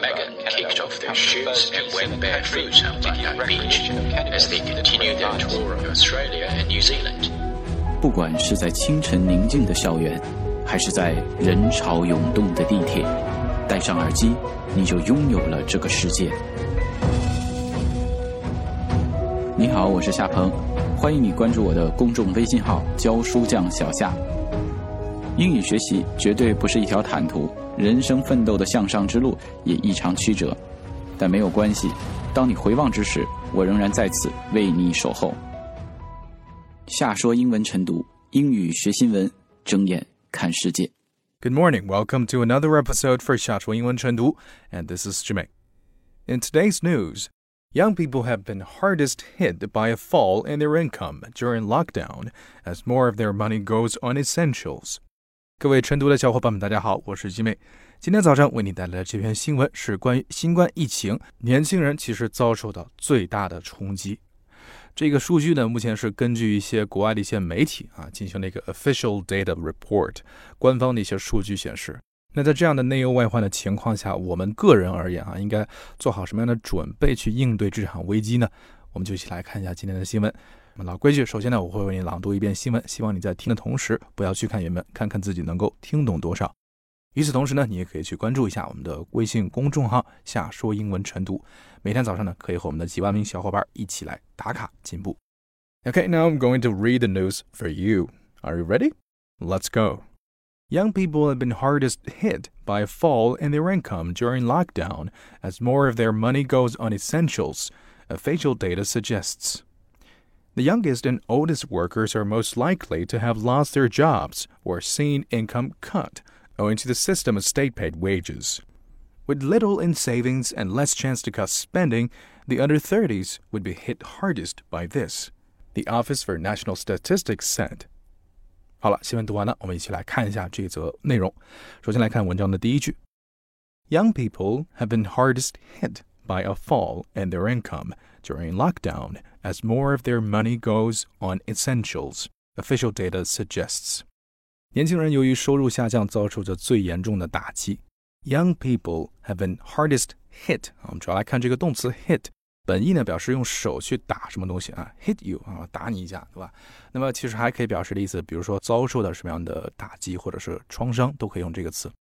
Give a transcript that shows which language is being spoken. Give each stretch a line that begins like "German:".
English: Megan kicked off their shoes and went barefoot on Bondi Beach as they continued their tour of Australia and New Zealand.
Chinese: 不管是在清晨宁静的校园，还是在人潮涌动的地铁，戴上耳机，你就拥有了这个世界。你好，我是夏鹏，欢迎你关注我的公众微信号“教书匠小夏”。英语学习绝对不是一条坦途，人生奋斗的向上之路也异常曲折，但没有关系，当你回望之时，我仍然在此为你守候。夏说英文晨读，英语学新闻，睁眼看世界。
English: Good morning, welcome to another episode for 夏说英文晨读, and this is Jimmy. In today's news, young people have been hardest hit by a fall in their income during lockdown as more of their money goes on essentials.
Chinese: 各位晨读的小伙伴们大家好，我是 Jimmy。今天早上为你带来的这篇新闻是关于新冠疫情，年轻人其实遭受到最大的冲击。这个数据呢，目前是根据一些国外的一些媒体啊进行了一个
English: official data report，
Chinese: 官方的一些数据显示。那在这样的内忧外患的情况下，我们个人而言啊，应该做好什么样的准备去应对这场危机呢？我们就一起来看一下今天的新闻。那么老规矩，首先呢，我会为你朗读一遍新闻，希望你在听的同时不要去看原文，看看自己能够听懂多少。与此同时呢，你也可以去关注一下我们的微信公众号“夏说英文晨读”，每天早上呢，可以和我们的几万名小伙伴一起来打卡进步。
English: Okay, now I'm going to read the news for you. Are you ready? Let's go. Young people have been hardest hit by a fall in their income during lockdown as more of their money goes on essentials, official data suggests. The youngest and oldest workers are most likely to have lost their jobs or seen income cut. Owing to the system of state-paid wages. With little in savings and less chance to cut spending, the under-30s would be hit hardest by this, the Office for National Statistics said.
Chinese: 好了，新闻读完了，我们一起来看一下这则内容。首先来看文章的第一句。
English: Young people have been hardest hit by a fall in their income during lockdown as more of their money goes on essentials, official data suggests.
Chinese: 年轻人由于收入下降遭受着最严重的打击。
English: Young people have been hardest hit.
Chinese: 我们主要来看这个动词 hit。本意呢表示用手去打什么东西啊 ,
English: hit you,
Chinese: 啊打你一下对吧。那么其实还可以表示的意思，比如说遭受的什么样的打击或者是创伤都可以用这个词。